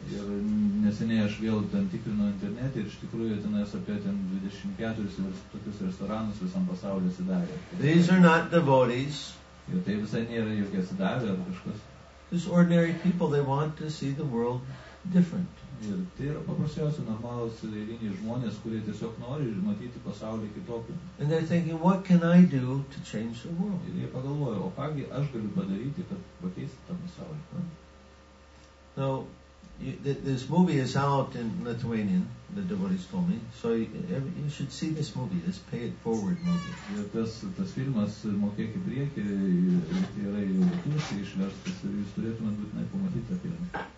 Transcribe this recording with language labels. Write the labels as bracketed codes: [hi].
[lt] Ir neseniai aš vėl ten tikrinau internetą ir iš tikrųjų ten esu apie ten 24 tokius restoranus visam pasaulyje atsidarę. [en] These are not devotees. [lt] Jo tai visai nėra jokie atsidarę ar kažkas. [en] These ordinary people, they want to see the world different. [lt] Ir tai yra paprasčiausia normalus eiliniai žmonės, kurie tiesiog nori matyti pasaulį kitokį. [en] And they're thinking, what can I do to change the world? [lt] Ir jie pagalvoja, o kągi aš galiu padaryti, kad pakeisti tą pasaulį. [en] Now, this movie is out in Lithuanian, the devotees told me, so you should see this movie, this Pay It Forward movie.